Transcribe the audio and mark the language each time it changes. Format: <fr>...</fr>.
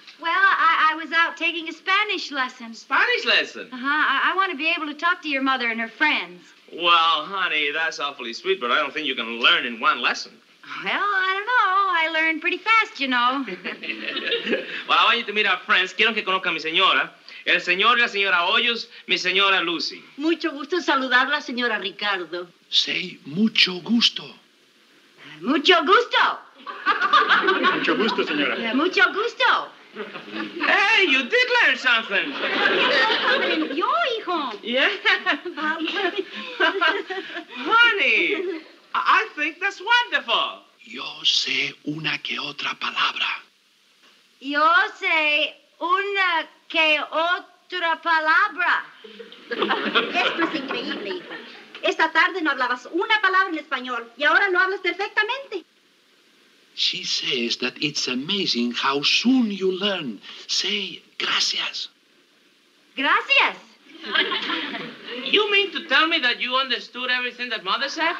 <en>Well, I was out taking a Spanish lesson. Spanish lesson? Uh-huh. I want to be able to talk to your mother and her friends. Well, honey, that's awfully sweet, but I don't think you can learn in one lesson. Well, I don't know. I learn pretty fast, you know. Well, I want you to meet our friends.</en> <es>Quiero que conozca a mi señora. El señor y la señora Hoyos, mi señora Lucy. Mucho gusto saludarla, señora Ricardo. Sí, mucho gusto. Mucho gusto. Mucho gusto, señora. Yeah, mucho gusto.</es> <en>Hey, you did learn something.</en> <es>Yo, hijo.</es> <en>Yeah. Honey, I think that's wonderful.</en> <es>Yo sé una que otra palabra. Yo sé una que otra palabra. Esto es increíble, hijo. Esta tarde no hablabas una palabra en español y ahora lo hablas perfectamente.</es> <en>She says that it's amazing how soon you learn. Say gracias.</en> <es>Gracias.</es> <en>You mean to tell me that you understood everything that mother said?</en>